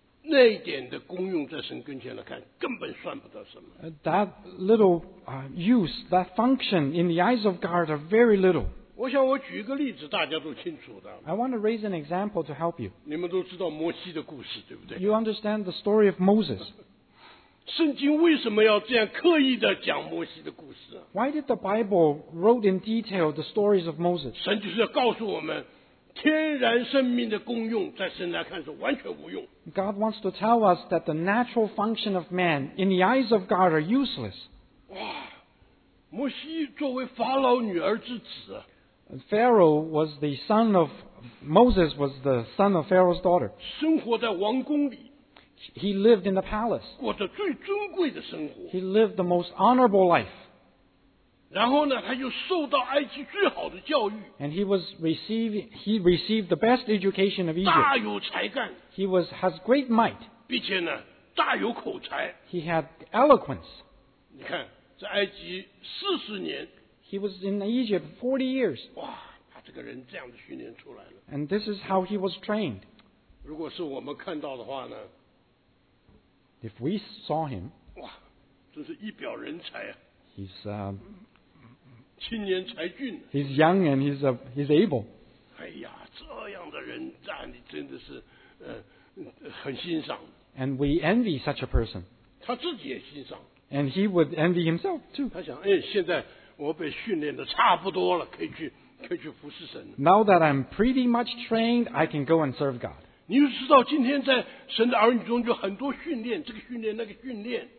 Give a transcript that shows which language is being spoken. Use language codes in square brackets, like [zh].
[zh] 那一点的功用在神跟前来看根本算不到什么。 [en] That little use, that function in the eyes of God are very little. [zh] 我想我举一个例子大家都清楚的。 [en] I want to raise an example to help you. [zh] 你们都知道摩西的故事对不对？ [en] You understand the story of Moses. [zh] 圣经为什么要这样刻意的讲摩西的故事？ [en] Why did the Bible wrote in detail the stories of Moses? [zh] 神就是要告诉我们天然生命的功用在神来看是完全无用。 [en] God wants to tell us that the natural function of man in the eyes of God are useless. [zh] 哇，摩西作为法老女儿之子。 [en] Pharaoh was the son of Moses was the son of Pharaoh's daughter. [zh] 生活在王宫里。 [en] He lived in the palace. [zh] 过着最尊贵的生活。 [en] He lived the most honorable life. [zh] 然后呢，他就受到埃及最好的教育。 [en] And he received the best education of Egypt. [zh] 大有才干。 [en] He has great might. [zh] 并且呢，大有口才。 [en] He had eloquence. [zh] 你看，在埃及四十年。 [en] He was in Egypt 40 years. [zh] 哇，他这个人这样的训练出来了。 [en] And this is how he was trained. [zh] 如果是我们看到的话呢 [en] ？If we saw him. [zh] 哇，真是一表人才啊。 [en] He's [zh] 青年才俊。 [en] He's young and he's able. [zh] 哎呀，这样的人，你真的是很欣赏。 [en] And we envy such a person. [zh] 他自己也欣赏。 [en] And he would envy himself too. [zh] 他想，哎，现在我被训练的差不多了，可以去服侍神。 [en] Now that I'm pretty much trained, I can go and serve God. [zh] 你知道，今天在神的儿女中，就很多训练，这个训练，那个训练。